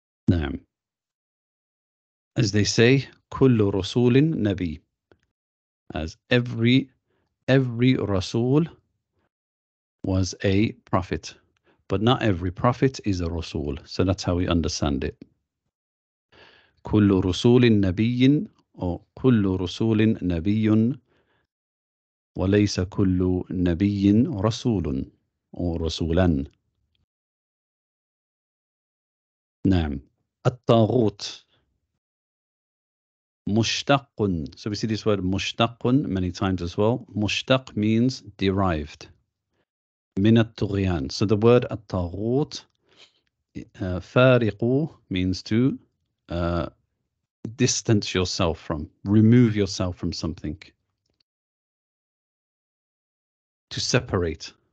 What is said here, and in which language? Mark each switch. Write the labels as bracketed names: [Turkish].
[English] Naam. As they say, [Arabic] kullu rasulin nabi, [English] as every rasul was a prophet, but not every prophet is a rasul. So that's how we understand it. [Arabic] Kullu rasulin nabiyyin, [English] or [Arabic] كل رسول نبي وليس كل نبي رسول أو رسولا. نعم. الطاغوت مشتق. [English] So we see this word مشتق many times as well. [Arabic] مشتق [English] means derived [Arabic] من الطغيان. [English] So the word الطاغوت, فارق means to distance yourself from, remove yourself from something, to separate.